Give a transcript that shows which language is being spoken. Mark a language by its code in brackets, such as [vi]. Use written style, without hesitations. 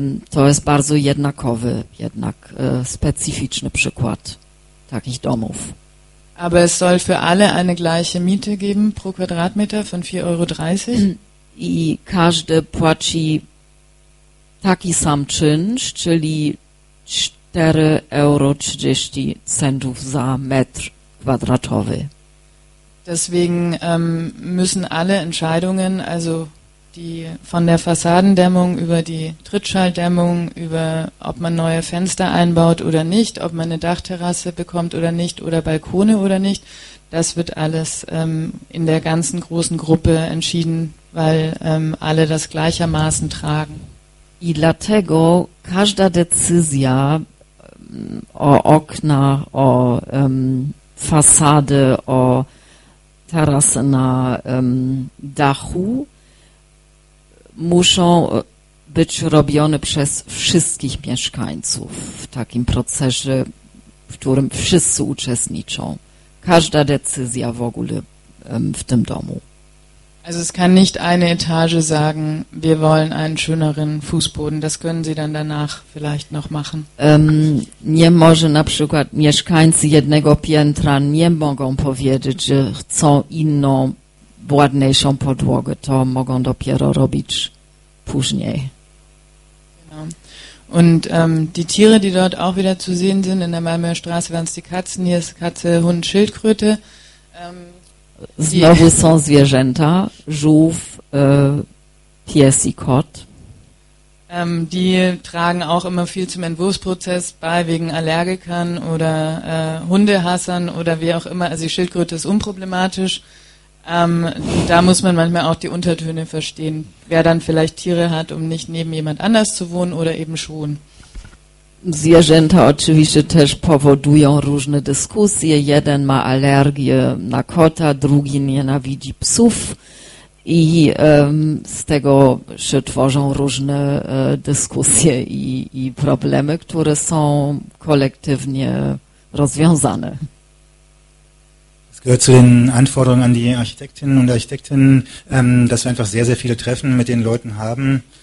[pl] To jest bardzo jednakowy, jednak specyficzny przykład takich domów. [de] Aber es soll für alle eine gleiche Miete geben pro Quadratmeter von 4,30 €. [pl] I każdy płaci taki sam czynsz, czyli 4,30 € centów za metr kwadratowy. [de] Deswegen müssen alle Entscheidungen, also die von der Fassadendämmung über die Trittschalldämmung, über ob man neue Fenster einbaut oder nicht, ob man eine Dachterrasse bekommt oder nicht, oder Balkone oder nicht, das wird alles in der ganzen großen Gruppe entschieden, weil alle das gleichermaßen tragen. [pl] I dlatego każda decyzja o okna, o fasady, o tarasy na dachu, muszą być robione przez wszystkich mieszkańców w takim procesie, w którym wszyscy uczestniczą. Każda decyzja w ogóle w tym domu. [de] Also es kann nicht eine Etage sagen, wir wollen einen schöneren Fußboden. Das können Sie dann danach vielleicht noch machen. [pl] Nie może na przykład mieszkańcy jednego piętra nie mogą powiedzieć, że chcą inną, ładniejszą podłogę. To mogą dopiero robić później. [de] Genau. Und die Tiere, die dort auch wieder zu sehen sind, in der Malmöer Straße waren es die Katzen, hier ist Katze, Hund, Schildkröte. [pl] Znowu są zwierzęta, żółw, pies i kot. [de] Die tragen auch immer viel zum Entwurfsprozess bei, wegen Allergikern oder Hundehassern oder wie auch immer. Also die Schildkröte ist unproblematisch. Da muss man manchmal auch die Untertöne verstehen, wer dann vielleicht Tiere hat, um nicht neben jemand anders zu wohnen oder eben schon. [pl] Zwierzęta oczywiście też powodują różne dyskusje. Jeden ma alergię na kota, drugi nienawidzi psów i z tego się tworzą różne dyskusje i problemy, które są kolektywnie rozwiązane. [de] Es gehört zu den Anforderungen an die Architektinnen und Architekten, dass wir einfach sehr, sehr viele Treffen mit den Leuten haben.